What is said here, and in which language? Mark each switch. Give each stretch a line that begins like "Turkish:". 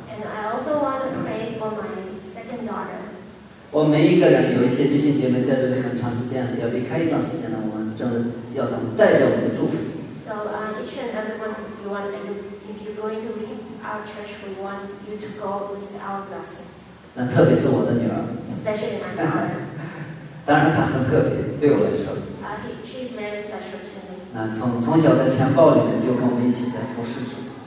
English: And I also want to pray for my second daughter.
Chinese: 我每一个人，有一些弟兄姐妹在这里很长时间，要离开一段时间呢，我们正要他们带着我们的祝福。
English: So each and every one of you, if you're going to leave. Our church, we want you to go with our blessings.
Chinese: 那特别是我的女儿。
English: Especially my daughter.
Chinese: 当然她很特别，对我来说。
English: She's very special to me.
Chinese: 那从小在钱包里面就跟我们一起在服侍主。